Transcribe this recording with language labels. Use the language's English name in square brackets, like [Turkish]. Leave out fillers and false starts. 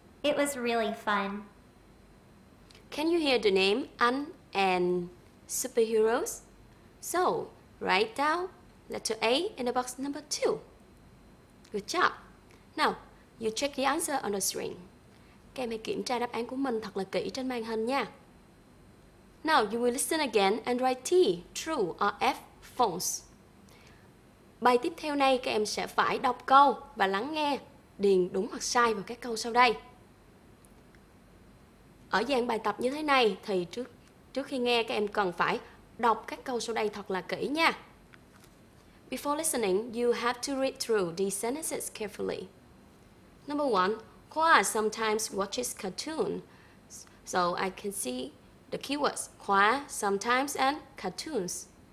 [English] It was really fun. Can you hear the name An and Superheroes? So, write down letter A in the box number 2. Good job. Now, you check the answer on the screen. [Vietnamese] Các em hãy kiểm tra đáp án của mình thật là kỹ trên màn hình nha. [English] Now, you will listen again and write T, true or F, false. [Vietnamese] Bài tiếp theo này, các em sẽ phải đọc câu và lắng nghe, điền đúng hoặc sai vào các câu sau đây. Ở dạng bài tập như thế này thì trước khi nghe, các em cần phải đọc các câu sau đây thật là kỹ nha. [English] Before listening, you have to read through these sentences carefully. Number one, Hua sometimes watches cartoon. So I can see the keywords Hua sometimes and cartoons.